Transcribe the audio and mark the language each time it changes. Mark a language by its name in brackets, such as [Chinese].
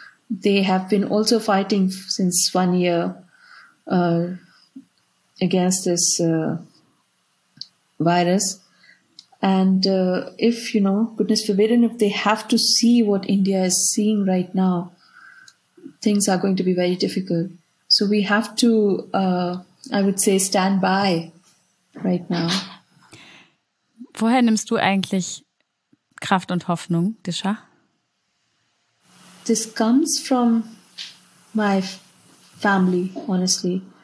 [English] They have been also fighting since 1 year against this virus. And if, you know, goodness forbidden, if they have to see what India is seeing right now, things are going to be very difficult. So we have to, I would say, stand by right now. [German] Woher nimmst du eigentlich Kraft und Hoffnung, Disha? [English] This comes from my family, honestly.